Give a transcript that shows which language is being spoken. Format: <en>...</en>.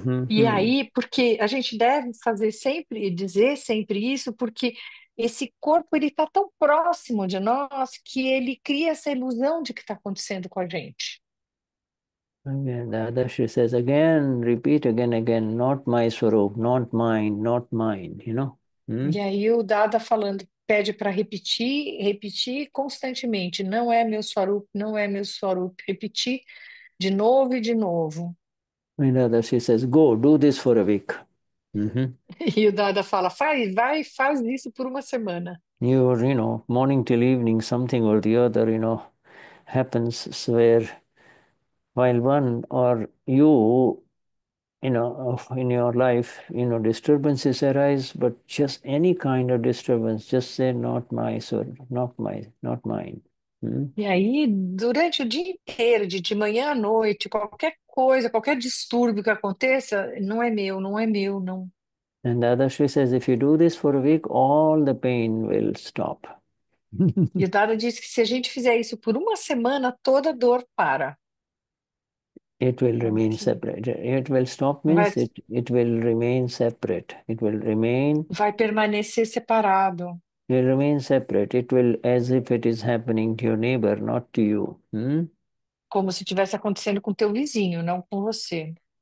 <pt>E aí, porque a gente deve fazer sempre e dizer sempre isso, porque esse corpo ele está tão próximo de nós que ele cria essa ilusão de que está acontecendo com a gente.</pt> <en>Dadashri says again, repeat again, not my sorrow, not mine, you know?</en> <pt>E aí o Dada falando, pede para repetir constantemente, não é meu Swarup, não é meu Swarup, repetir de novo e de novo.</pt> <en>Dadashri says, go, do this for a week.</en> <pt>E o Dada fala, faz isso por uma semana.</pt> <en>You're morning till evening, something or the other, happens where. While one or you, in your life, disturbances arise, but just any kind of disturbance, just say not my sword, not mine.</en> <pt>E aí, durante o dia inteiro, de manhã à noite, qualquer coisa, qualquer distúrbio que aconteça, não é meu, não é meu, não.</pt> <en>And the other she says, if you do this for a week, all the pain will stop.</en> <pt>E o Dada disse que se a gente fizer isso por uma semana, toda dor para.</pt> <en>It will remain Ok. separate. It will stop means it will remain separate.</en> <pt>Vai permanecer separado.</pt> <en>It will remain separate. It will as if it is happening to your neighbor, not to you.</en> <pt>Como se estivesse acontecendo com teu vizinho, não com você.</pt>